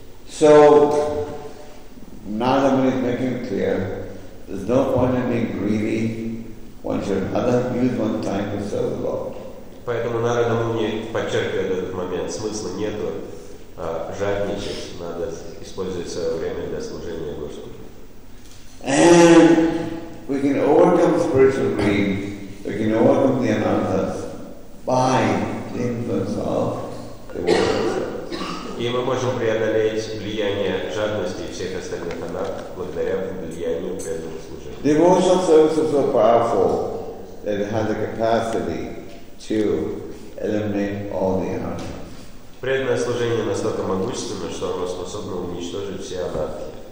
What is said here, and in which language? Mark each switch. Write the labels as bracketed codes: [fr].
[en] So, Narada Muni is making it clear, there's no point in being greedy, one should rather use one time to serve the Lord. [ru] Поэтому Нарада Муни подчеркивает этот момент, смысла нету жадничать, надо использовать свое время для служения Господу. [en] And we can overcome spiritual greed, we can overcome the anarthas by the influence of the Lord. [ru] И мы можем преодолеть влияние жадности и всех остальных анарх благодаря влиянию преданного служения. [en] Devotional service is so powerful that it has the capacity to eliminate all the anarchs. [ru] Преданное служение настолько могущественно, что оно способно уничтожить все анархи.